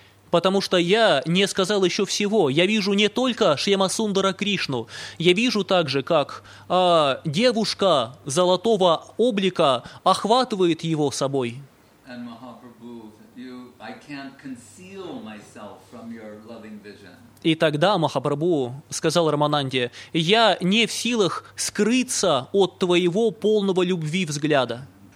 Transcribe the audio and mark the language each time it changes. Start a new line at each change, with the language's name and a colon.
Russian: Потому что я не сказал еще всего. Я вижу не только Шьямасундара Кришну. Я вижу также, как девушка золотого облика охватывает его собой.
English: And Mahaprabhu, I can't conceal myself from your loving vision.
Russian: И тогда Махапрабху сказал Рамананде, «Я не в силах скрыться от твоего полного любви взгляда».